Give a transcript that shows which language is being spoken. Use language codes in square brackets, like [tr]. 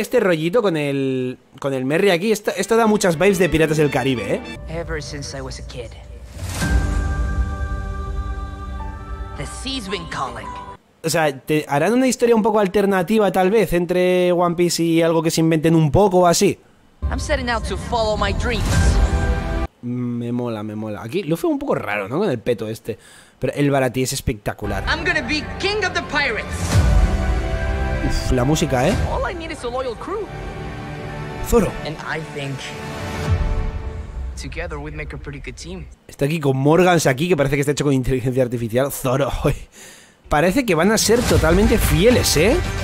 [es] Este rollito con el Merry aquí, esto da muchas vibes de Piratas del Caribe, ¿eh? [en] Ever since I was a kid. The sea's been calling. [es] O sea, ¿te harán una historia un poco alternativa, tal vez, entre One Piece y algo que se inventen un poco o así? [en] I'm setting out to follow my dreams. [es] Me mola. Aquí Luffy un poco raro, ¿no? Con el peto este. Pero el Baratí es espectacular. [en] I'm gonna be king of the pirates. [es] Uf, la música, ¿eh? [en] All I need is a loyal crew. Zoro. And I think together we'd make a pretty good team. [es] Está aquí con Morgans aquí, que parece que está hecho con inteligencia artificial. Zoro. Parece que van a ser totalmente fieles, ¿eh?